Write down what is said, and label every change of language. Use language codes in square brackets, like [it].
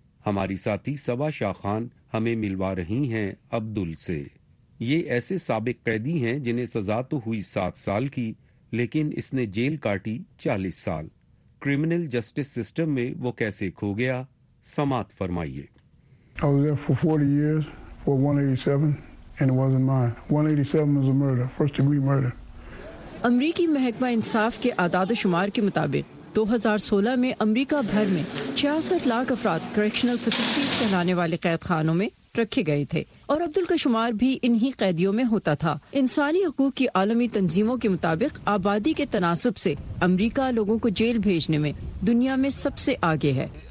[ur] ہماری ساتھی سبا شاہ خان ہمیں ملوا رہی ہیں عبدل سے. یہ ایسے سابق قیدی ہیں جنہیں سزا تو ہوئی 7 سال کی, لیکن اس نے جیل کاٹی 40 سال. کرمنل جسٹس سسٹم میں وہ کیسے کھو گیا, سماعت فرمائیے. [en] I was there for 40 years for 187 and it wasn't mine. 187 was a murder, first degree murder. [ur] امریکی محکمہ انصاف کے اعداد و شمار کے مطابق 2016 میں امریکہ بھر میں 66 لاکھ افراد کریکشنل فیسلٹیز کہلانے والے قید خانوں میں رکھے گئے تھے, اور عبدل کا شمار بھی انہی قیدیوں میں ہوتا تھا. انسانی حقوق کی عالمی تنظیموں کے مطابق آبادی کے تناسب سے امریکہ لوگوں کو جیل بھیجنے میں دنیا میں سب سے آگے ہے.